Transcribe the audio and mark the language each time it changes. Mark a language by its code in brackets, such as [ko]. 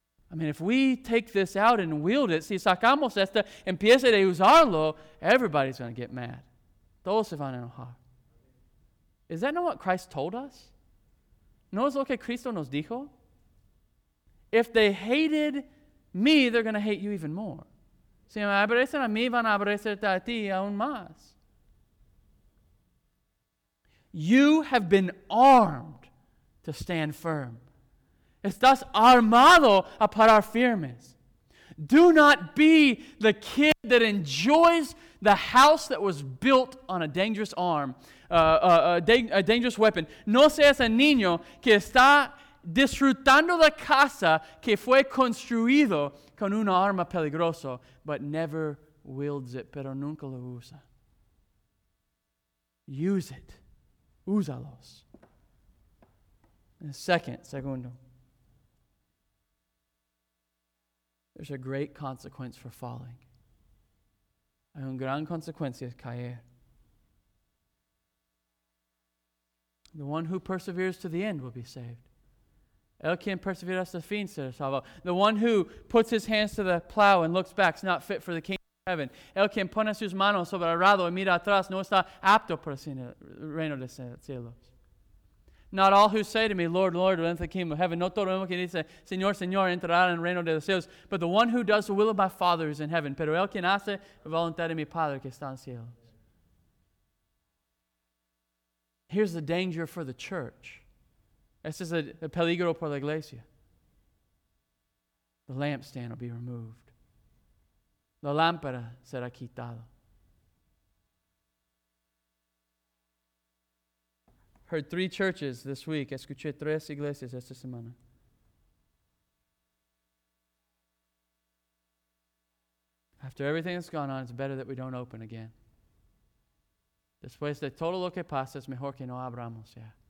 [en] I mean, if we take this out and wield it, [es] si sacamos esta, empieza de usarlo, [en] everybody's going to get mad. [es] Todos se van a enojar. [en] Is that not what Christ told us? [es] ¿No es lo que Cristo nos dijo? [en] If they hated me, they're going to hate you even more. [es] Si me aborrecen a mí, van a aborrecerte a ti aún más. [en] You have been armed to stand firm. [es] Estás armado a parar firmes. [en] Do not be the kid that enjoys the house that was built on a dangerous arm, a dangerous weapon. [es] No seas el niño que está disfrutando la casa que fue construido con una arma peligrosa, [en] but never wields it, [es] pero nunca lo usa. [en] Use it. [es] Úsalos. Segundo. [en] There's a great consequence for falling. [es] Hay una gran consecuencia de caer. [en] The one who perseveres to the end will be saved. [es] El quien persevera hasta el fin será salvo. [en] The one who puts his hands to the plow and looks back is not fit for the kingdom of heaven. [es] El quien pone sus manos sobre el arado y mira atrás no está apto para el reino de los cielos. [en] Not all who say to me, Lord, Lord, will enter the kingdom of heaven. [es] No todo el que dice, Señor, Señor, entrará en el reino de los cielos. [en] But the one who does the will of my Father is in heaven. [es] Pero el quien hace la voluntad de mi Padre que está en el cielo. [en] Here's the danger for the church. [es] Este es el peligro para la iglesia. [en] The lampstand will be removed. [es] La lámpara será quitada. [en] Heard three churches this week. [es] Escuché tres iglesias esta semana. [en] After everything that's gone on, it's better that we don't open again. [es] Después de todo lo que pasa, es mejor que no abramos ya.